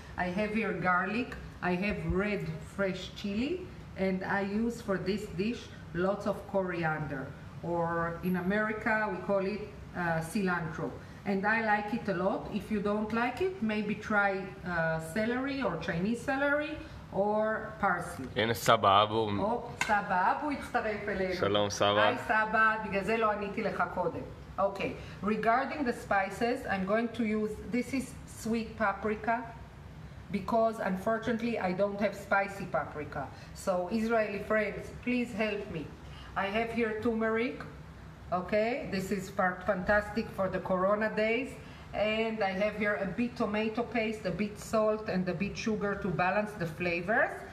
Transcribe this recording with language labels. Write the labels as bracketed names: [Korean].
[English] I have here garlic, I have red fresh chili, and I use for this dish lots of coriander, or in America we call it cilantro. And I like it a lot. If you don't like it, maybe try celery or Chinese celery or parsley. [Hebrew] הנה סבא אבו. Oh, סבא אבו הצטרף אלינו. שלום סבא. היי סבא, בגלל זה לא עניתי לך קודם. [English] Okay, regarding the spices, I'm going to use, this is sweet paprika, because unfortunately I don't have spicy paprika. So Israeli friends, please help me. I have here turmeric, okay? This is fantastic for the Corona days. And I have here a bit tomato paste, a bit salt, and a bit sugar to balance the flavors.